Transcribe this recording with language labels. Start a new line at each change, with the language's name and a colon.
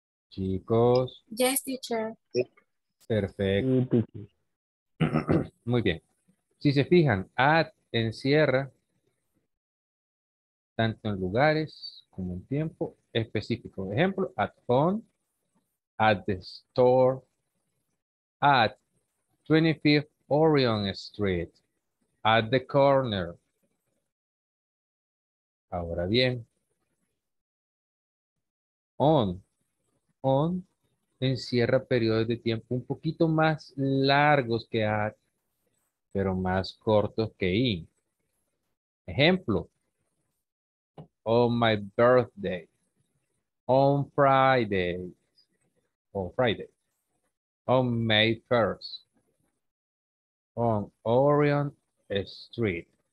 Spanish: Chicos.
English: Yes, teacher.
Spanish: Perfecto. Muy bien. Si se fijan, at encierra tanto en lugares como en tiempo específico. Ejemplo,
English: at home, at the store, at 25th Orion Street, at the corner.
Spanish: Ahora bien, on encierra periodos de tiempo un poquito más largos que at, pero más cortos que in. Ejemplo,
English: on my birthday, on Friday, on May 1st, on Orion Street.